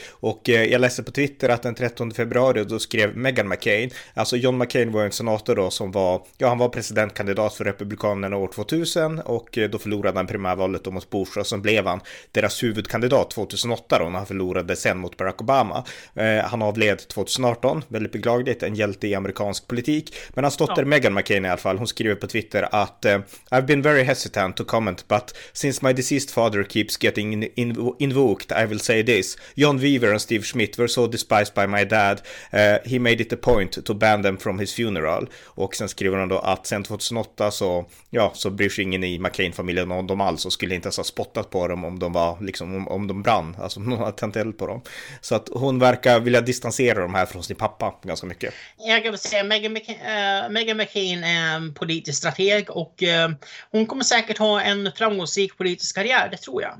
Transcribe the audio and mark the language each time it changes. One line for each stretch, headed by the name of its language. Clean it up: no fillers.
Swedish: Och jag läste på Twitter att den 13 februari då skrev Meghan McCain, alltså John McCain var en senator då som var, ja, han var presidentkandidat för republikanerna år 2000, och då förlorade han primärvalet mot Bush, och sen blev han deras huvudkandidat 2008 då, när han förlorade sen mot Barack Obama. Han avled 2018, väldigt beklagligt, en hjälte i amerikansk politik. Men hans dotter, ja, Meghan McCain i alla fall, hon skriver på Twitter att
English: I've been very hesitant to comment, but since my deceased father keeps getting invoked, I will say this. John Weaver and Steve Smith were so despised by my dad, he made it a point to ban them from his funeral.
Swedish: Och sen skriver hon då att sen 2008 så bryr sig ingen i McCain-familjen om dem alls, och skulle inte ens ha spottat på dem om de var, liksom, om de brann, alltså om någon hade tänt eld på dem. Så att hon verkar vilja distansera de här från sin pappa ganska mycket. Jag kan väl säga att Meghan McCain är en politisk strateg, och hon kommer säkert ha en framgångsrik politisk karriär, det tror jag.